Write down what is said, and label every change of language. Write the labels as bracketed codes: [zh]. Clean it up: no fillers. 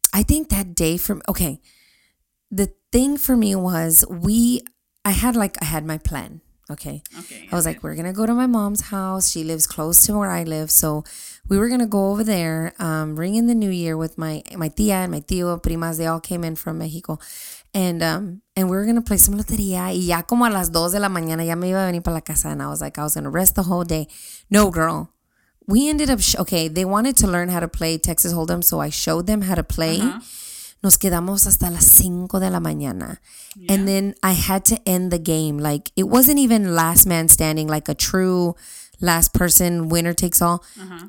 [en] I think that day the thing for me was I had my plan. Okay. Okay. I was like, we're going to go to my mom's house. She lives close to where I live. So we were going to go over there, ring in the new year with my tia and my tio, primas. They all came in from Mexico. And we were going to play some lotería. [es] Y ya como a las dos de la mañana, ya me iba a venir para la casa. [en] And I was like, I was going to rest the whole day. No, girl. We ended up, they wanted to learn how to play Texas Hold'em, so I showed them how to play. Uh-huh. [es] Nos quedamos hasta las 5 de la mañana. [en] Yeah. And then I had to end the game. Like, it wasn't even last man standing, like a true last person, winner takes all. Uh-huh.